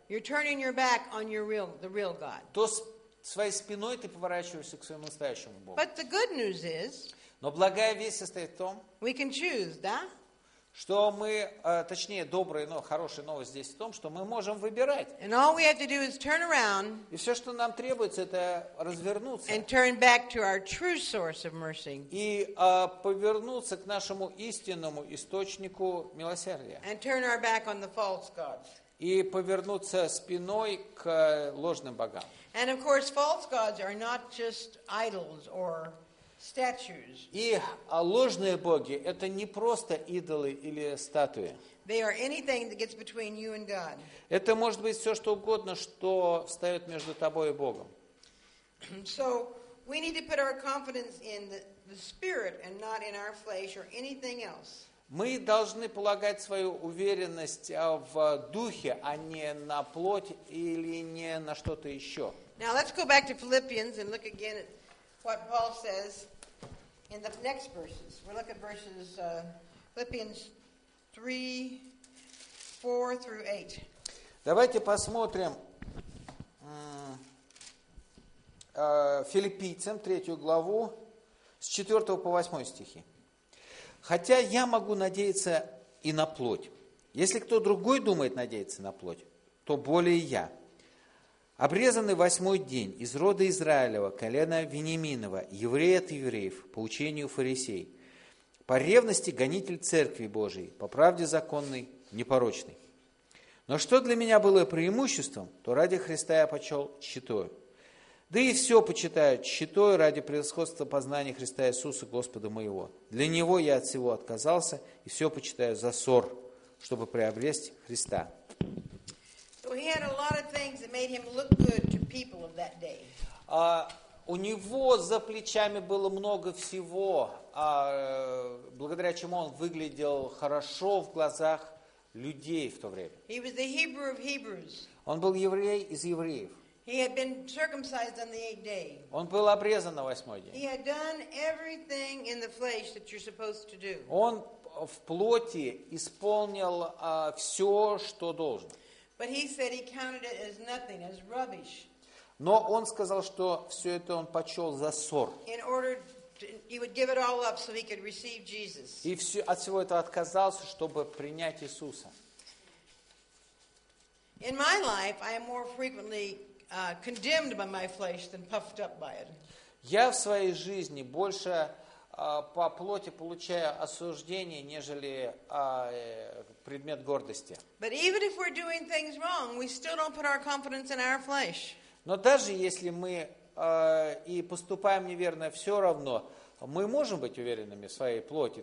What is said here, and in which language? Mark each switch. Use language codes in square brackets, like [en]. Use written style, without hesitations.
[en] you're turning your back on your real, the real God. [ru] То своей спиной ты поворачиваешься к своему настоящему Богу. [en] But the good news is, [ru] но благая весть состоит в том, [en] we can choose, да? [ru] Что мы, точнее, добрая, но хорошая новость здесь в том, что мы можем выбирать. [en] And all we have to do is turn around, [ru] и все, что нам требуется, это развернуться. [en] And turn back to our true source of mercy. [ru] И повернуться к нашему истинному источнику милосердия. [en] And turn our back on the false gods. [ru] И повернуться спиной к ложным богам. [en] And of course, false gods are not just idols or statues. [ru] И ложные боги — это не просто идолы или статуи. [en] They are anything that gets between you and God. [ru] Это может быть все, что угодно, что встает между тобой и Богом. [en] So we need to put our confidence in the spirit and not in our flesh or anything else. [ru] Мы должны полагать свою уверенность в духе, а не на плоть или не на что-то еще. [en] Now let's go back to Philippians and look again at what Paul says in the next verses. We'll look at verses Philippians 3:4-8. [ru] Давайте посмотрим Филиппийцам, 3 главу, с 4 по 8 стихи. «Хотя я могу надеяться и на плоть. Если кто другой думает надеяться на плоть, то более я. Обрезанный восьмой день из рода Израилева, колена Вениаминова, еврей от евреев, по учению фарисей, по ревности гонитель церкви Божией, по правде законной, непорочной. Но что для меня было преимуществом, то ради Христа я почел тщетою. Да и все почитаю тщетою ради превосходства познания Христа Иисуса Господа моего. Для Него я от всего отказался и все почитаю за сор, чтобы приобрести Христа». [en] So he had a lot of things that made him look good to people of that day. [ru] У него за плечами было много всего, благодаря чему он выглядел хорошо в глазах людей в то время. [en] He was the Hebrew of Hebrews. [ru] Он был еврей из евреев. [en] He had been circumcised on the eighth day. [ru] Он был обрезан на восьмой день. [en] He had done everything in the flesh that you're supposed to do. [ru] Он в плоти исполнил все, что должен. [en] But he said he counted it as nothing, as rubbish. [ru] Но он сказал, что все это он почел за сор. [en] In order to, he would give it all up so he could receive Jesus. [ru] И все, от всего этого отказался, чтобы принять Иисуса. [en] In my life, I am more frequently condemned by my flesh than puffed up by it. [ru] Я в своей жизни больше по плоти получаю осуждение, нежели предмет гордости. Но даже если мы и поступаем неверно, все равно мы можем быть уверенными в своей плоти.